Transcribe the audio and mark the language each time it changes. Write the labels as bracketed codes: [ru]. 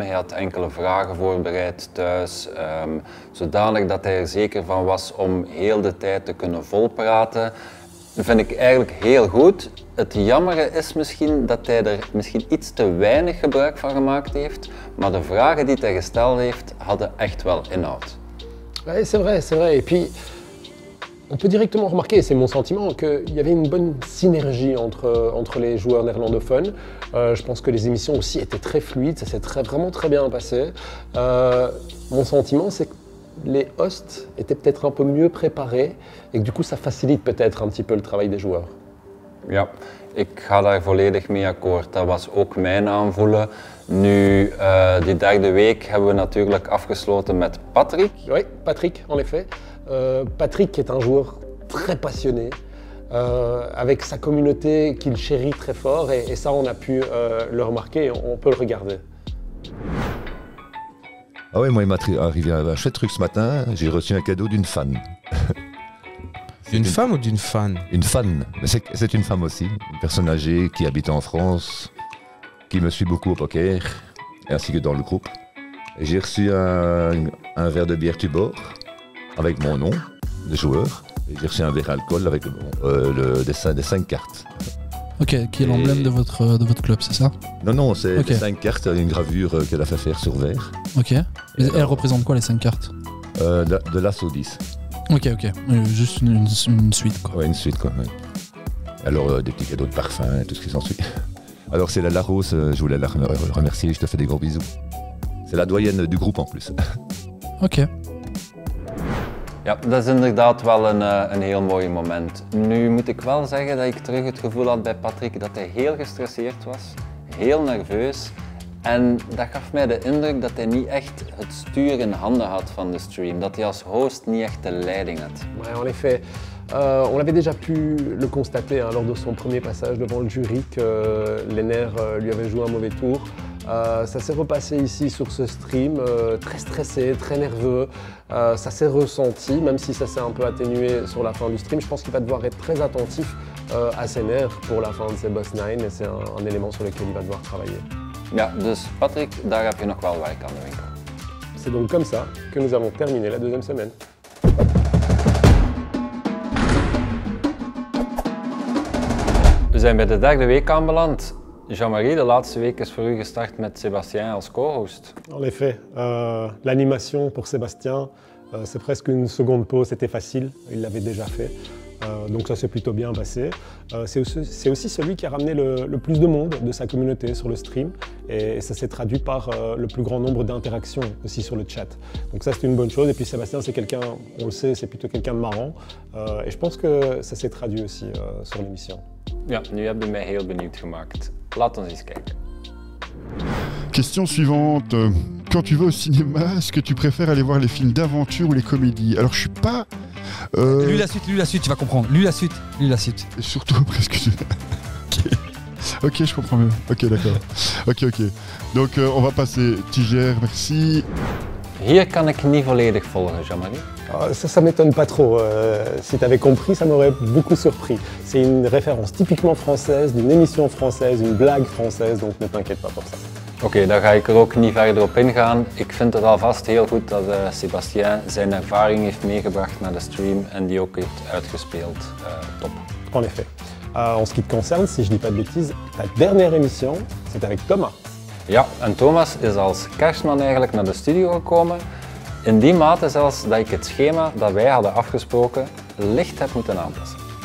[nl] Hij had enkele vragen voorbereid thuis. Zodanig dat hij er zeker van was om heel de tijd te kunnen volpraten. Dat vind ik eigenlijk heel goed. Het jammere is misschien dat hij er misschien iets te weinig gebruik van gemaakt heeft. Maar de vragen die hij gesteld heeft, hadden echt wel inhoud. [fr] Ja, c'est vrai. Et puis... On peut directement remarquer, c'est mon sentiment, qu'il y avait une bonne synergie entre les joueurs néerlandophones. Je pense que les émissions aussi étaient très fluides, ça s'est vraiment très bien passé. Mon sentiment, c'est que les hosts étaient peut-être un peu mieux préparés et que du coup, ça facilite peut-être un petit peu le travail des joueurs. [nl] Ja, ik ga daar volledig mee akkoord. Dat was ook mijn aanvoelen. Nu, die derde week hebben we natuurlijk afgesloten met Patrick. [fr] Oui, Patrick, en effet. Patrick est un joueur très passionné, avec sa communauté qu'il chérit très fort, et ça on a pu le remarquer, on peut le regarder. Ah oui, moi il m'est arrivé un chouette truc ce matin, j'ai reçu un cadeau d'une fan. D'une femme ou d'une fan? Une fan, mais c'est une femme aussi, une personne âgée qui habite en France, qui me suit beaucoup au poker, ainsi que dans le groupe. J'ai reçu un verre de bière Tubor. Avec mon nom de joueur, j'ai reçu un verre alcool avec le dessin des 5 cartes. Ok, qui est l'emblème de votre club, c'est ça? Non, c'est okay. Les 5 cartes, une gravure qu'elle a fait faire sur verre. Ok. Et elle représente quoi les 5 cartes? De l'As au 10. Ok. Juste une suite, quoi. Ouais, une suite, quoi. Ouais. Alors, des petits cadeaux de parfum et tout ce qui s'en suit. Alors, c'est la Larousse, je voulais la remercier, je te fais des gros bisous. C'est la doyenne du groupe en plus. Ok. [nl] Ja, dat is inderdaad wel een heel mooi moment. Nu moet ik wel zeggen dat ik terug het gevoel had bij Patrick dat hij heel gestresseerd was, heel nerveus. En dat gaf mij de indruk dat hij niet echt het stuur in handen had van de stream. Dat hij als host niet echt de leiding had. [fr] Ouais, en effet, on avait déjà pu le constater hein, lors de son premier passage devant le jury que les nerfs lui avaient joué un mauvais tour. Ça s'est repassé ici sur ce stream, très stressé, très nerveux. Ça s'est ressenti, même si ça s'est un peu atténué sur la fin du stream. Je pense qu'il va devoir être très attentif à ses nerfs pour la fin de ses Boss 9. Et c'est un élément sur lequel il va devoir travailler. [nl] Ja, dus Patrick, daar heb je nog wel werk aan de winkel. [fr] C'est donc comme ça que nous avons terminé la deuxième semaine. [nl] We zijn bij de derde week aanbeland. Jean-Marie, de laatste week is voor u gestart met Sébastien als co-host. [fr] En effet, l'animation pour Sébastien, c'est presque une seconde pause, c'était facile, il l'avait déjà fait. Donc ça s'est plutôt bien passé. C'est aussi celui qui a ramené le plus de monde de sa communauté sur le stream. Et ça s'est traduit par le plus grand nombre d'interactions aussi sur le chat. Donc ça, c'est une bonne chose. Et puis Sébastien, c'est quelqu'un, on le sait, c'est plutôt quelqu'un de marrant. Et je pense que ça s'est traduit aussi sur l'émission. [nl] Ja, nu hebben mij heel benieuwd gemaakt. Laat ons eens kijken. [fr] Question suivante. Quand tu vas au cinéma, est-ce que tu préfères aller voir les films d'aventure ou les comédies? Alors, je suis pas... Lui la suite, tu vas comprendre. Lui la suite. Et surtout, presque... Ok, je comprends mieux. Ok, d'accord. Ok. Donc, on va passer. Tigère, merci. [nl] Hier kan ik niet volledig volgen, Jean-Marie. [fr] Ça m'étonne pas trop. Si t'avais compris, ça m'aurait beaucoup surpris. C'est une référence typiquement française, d'une émission française, une blague française, donc ne t'inquiète pas pour ça. [nl] Ok, dan ga ik er ook niet verder op ingaan. Ik vind het alvast heel goed dat Sébastien zijn ervaring heeft meegebracht naar de stream en die ook heeft uitgespeeld. Top. [fr] En effet. En ce qui te concerne, si je dis pas de bêtises, ta dernière émission, zit avec Thomas. [nl] Ja, en Thomas is als kerstman eigenlijk naar de studio gekomen. In die mate zelfs dat ik het schema dat wij hadden afgesproken licht heb moeten aanpassen.